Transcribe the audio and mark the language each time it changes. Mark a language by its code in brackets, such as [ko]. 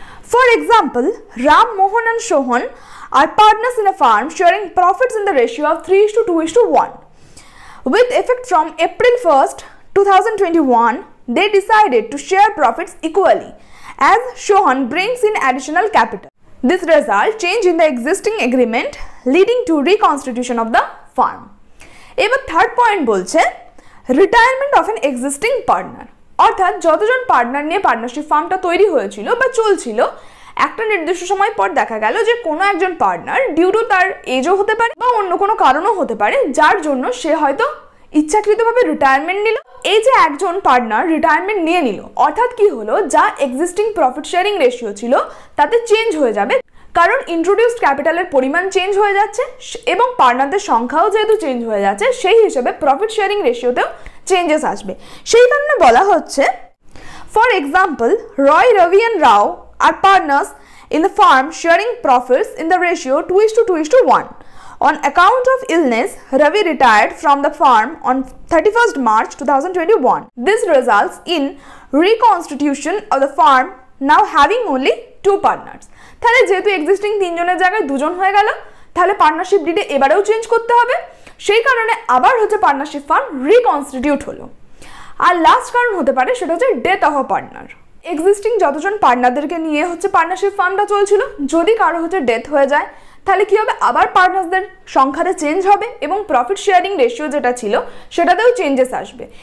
[en] For example, Ram Mohan and Sohan are partners in a firm sharing profits in the ratio of 3:2:1 with effect from April 1st, 2021 they decided to share profits equally as Sohan brings in additional capital. This result change in the existing agreement leading to reconstitution of the firm. [bn] এবার third point বলছে retirement of N existing partner, অর্থাৎ যতজন partner নিয়ে partnership ফার্মটা তৈরি হয়েছিল বা চলছিল একটা নির্দিষ্ট সময় পর দেখা গেল যে কোনো একজন পার্টনার ডিউ টু তার এজও হতে পারে বা অন্য কোনো কারণও হতে পারে যার জন্য সে হয়তো ইচ্ছাকৃতভাবে রিটায়ারমেন্ট নিল। এই যে একজন পার্টনার রিটায়ারমেন্ট নিয়ে নিল, অর্থাৎ কি হলো, যা এক্সিস্টিং প্রফিট শেয়ারিং রেশিও ছিল তাতে চেঞ্জ হয়ে যাবে, কারণ ইন্ট্রোডিউসড ক্যাপিটালের পরিমাণ চেঞ্জ হয়ে যাচ্ছে এবং পার্টনারদের সংখ্যাও যেহেতু চেঞ্জ হয়ে যাচ্ছে সেই হিসেবে প্রফিট শেয়ারিং রেশিওতেও চেঞ্জেস আসবে। [en] সেই কারণে বলা হচ্ছে, for example, Roy Ravi and Rao are partners in the firm sharing profits in the ratio 2:2:1 On account of illness, Ravi retired from the firm on 31st March 2021. This results in reconstitution of the firm now having only two partners. [bn] তাহলে যেহেতু existing তিনজনের জায়গায় দুজন হয়ে গেল, তাহলে partnership ডিডে এবারেও change করতে হবে, সেই কারণে আবার হচ্ছে পার্টনারশিপ ফার্ম রিকনস্টিটিউট হলো। আর লাস্ট কারণ হতে পারে সেটা হচ্ছে death of a partner. Existing যতজন পার্টনারদেরকে নিয়ে হচ্ছে পার্টনারশিপ ফার্মটা চলছিল, যদি কারো হচ্ছে ডেথ হয়ে যায় তাহলে কী হবে, আবার পার্টনার্সদের সংখ্যাতে চেঞ্জ হবে এবং প্রফিট শেয়ারিং রেশিও যেটা ছিল সেটাতেও চেঞ্জেস আসবে।